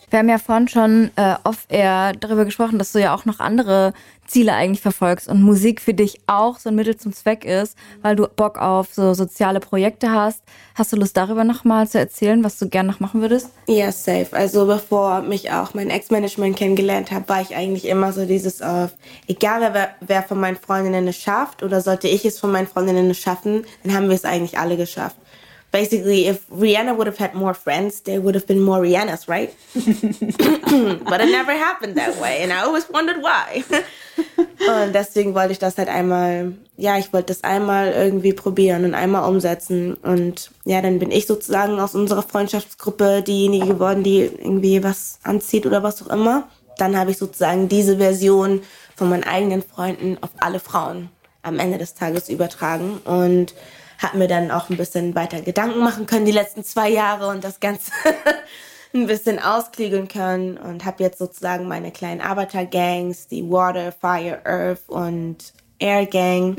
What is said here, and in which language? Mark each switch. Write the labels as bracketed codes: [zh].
[de] Wir haben ja vorhin schon off-air darüber gesprochen, dass du ja auch noch andere Ziele eigentlich verfolgst und Musik für dich auch so ein Mittel zum Zweck ist, weil du Bock auf so soziale Projekte hast. Hast du Lust, darüber nochmal zu erzählen, was du gerne noch machen würdest? Ja, safe. Also bevor mich auch mein Ex-Management kennengelernt habe, war ich eigentlich immer so dieses auf, egal wer von meinen Freundinnen es schafft oder sollte ich es von meinen Freundinnen schaffen, dann haben wir es eigentlich alle geschafft. [en] Basically, if Rihanna would have had more friends, they would have been more Rihannas, right? But it never happened that way, and I always wondered why. [de] Und deswegen wollte ich das halt einmal, ja, ich wollte das einmal irgendwie probieren und einmal umsetzen. Und ja, dann bin ich sozusagen aus unserer Freundschaftsgruppe diejenige geworden, die irgendwie was anzieht oder was auch immer. Dann habe ich sozusagen diese Version von meinen eigenen Freunden auf alle Frauen am Ende des Tages übertragen und hat mir dann auch ein bisschen weiter Gedanken machen können die letzten 2 Jahre und das Ganze ein bisschen ausklügeln können und habe jetzt sozusagen meine kleinen Avatar-Gangs, die Water, Fire, Earth und Air-Gang.